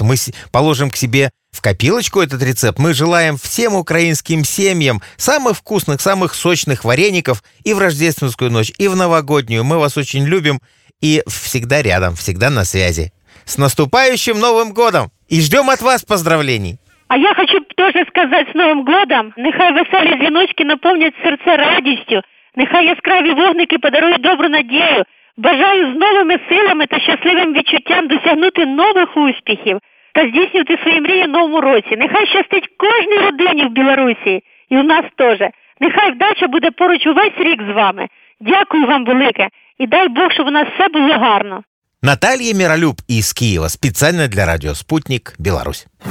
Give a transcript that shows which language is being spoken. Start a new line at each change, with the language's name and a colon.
Russian: Мы положим к себе в копилочку этот рецепт. Мы желаем всем украинским семьям самых вкусных, самых сочных вареников и в рождественскую ночь, и в новогоднюю. Мы вас очень любим и всегда рядом, всегда на связи. С наступающим Новым годом! И ждем от вас поздравлений! А я хочу тоже сказать с Новым годом.
Ukrainian: Нехай веселі дзвіночки наповнят сердце радістю. Нехай яскраві вогники подарують добру надію. Бажаю з новими силами та щасливим відчуттям досягнути нових успіхів та здійснювати свої мрії в новому році. Нехай щастить кожній родині в Білорусі і у нас теж. Нехай вдача буде поруч увесь рік з вами. Дякую вам велике. І дай Бог, щоб у нас все було гарно.
Russian: Наталья Миролюб из Киева. Специально для Радио Спутник Беларусь.